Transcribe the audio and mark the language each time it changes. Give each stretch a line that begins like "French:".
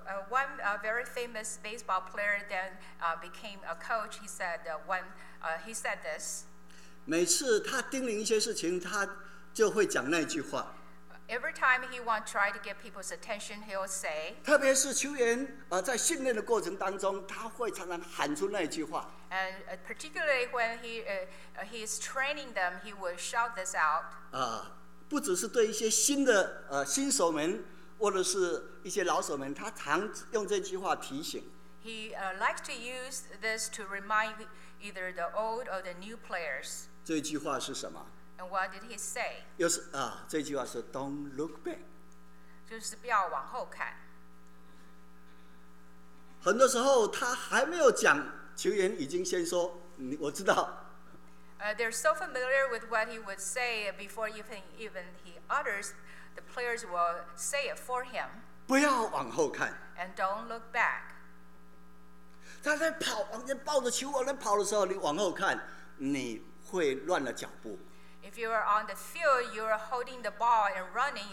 English: One very famous baseball player then became a coach. He said he said this.
Chinese: 每次他叮咛一些事情，他就会讲那句话。
English: Every time he want try to get people's attention, he'll say.
Chinese: 特别是球员在训练的过程当中，他会常常喊出那句话。
English: And particularly when he's training them, he will shout this out.
Chinese: 不只是对一些新的新手们，或者是一些老手们，他常用这句话提醒。
English: He likes to use this to remind either the old or the new players.
Chinese: 这句话是什么
English: ？And what did he say？
Chinese: 又是这句话是
English: "Don't look back"，
Chinese: 就是不要往后看。很多时候他还没有讲，球员已经先说：“我知道。”
English: They're so familiar with what he would say before even he utters, the players will say it for him.
Chinese: 不要往后看。
English: And don't look back.
Chinese: 他在跑，往前抱着球往前跑的时候，你往后看，你会乱了脚步。
English: If you are on the field, you are holding the ball and running.